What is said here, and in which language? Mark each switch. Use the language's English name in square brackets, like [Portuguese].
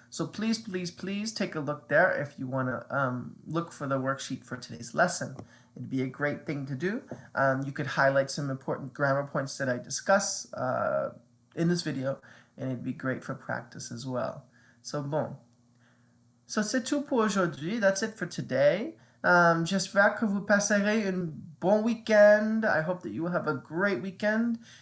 [English] So please, please, please take a look there if you want to look for the worksheet for today's lesson. It'd be a great thing to do. You could highlight some important grammar points that I discuss in this video, and it'd be great for practice as well. [French] So bon. So c'est tout pour aujourd'hui. [English] That's it for today. [French] J'espère que vous passerez un bon week-end. [English] I hope that you will have a great weekend.